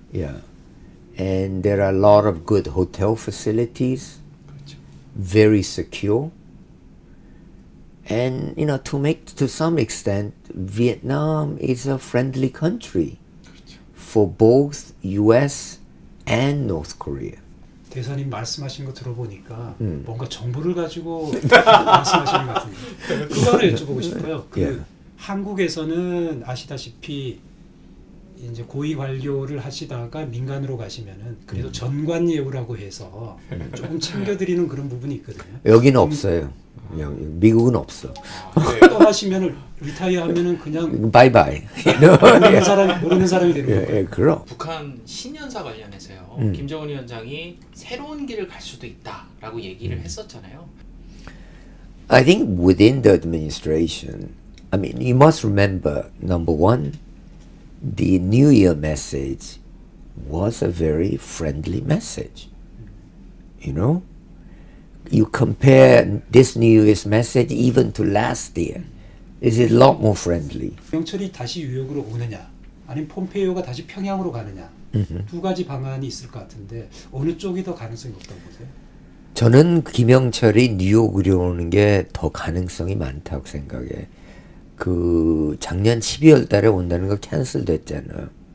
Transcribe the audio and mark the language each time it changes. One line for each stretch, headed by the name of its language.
English: Yeah. And there are a lot of good hotel facilities.
Korean: 그렇죠.
English: Very secure. And you know, to some extent, Vietnam is a friendly country.
Korean: 그렇죠.
English: For both US and North Korea.
Korean: 대사님 말씀하신 거 들어보니까 뭔가 정보를 가지고 말씀하시는 것 같은데 그거를 여쭤보고 싶어요. 그
English: yeah.
Korean: 한국에서는 아시다시피 이제 고위 관료를 하시다가 민간으로 가시면은 그래도 전관 예우라고 해서 조금 챙겨드리는 그런 부분이 있거든요. 여기는 없어요. 미국은 없어. 떠나시면은 리타이어하면은 그냥 바이바이. 모르는 사람이 되는 거예요. 그럼. 북한 신년사 관련해서요. 김정은 위원장이 새로운 길을 갈 수도 있다라고 얘기를 했었잖아요.
English: I think within the administration, I mean, you must remember number one, the New Year message was a very friendly message. You know. You compare this New Year's message even to last year. Is it a lot more friendly?
Korean: 영철이 다시 뉴욕으로 오느냐, 아니면 폼페이오가 다시 평양으로 가느냐, 두 가지 방안이 있을 것 같은데 어느 쪽이 더 가능성이 높다고 보세요? 저는 김영철이 뉴욕으로 오는 게 더 가능성이 많다고 생각해. 그 작년 12월 달에 온다는 거 캔슬됐잖아.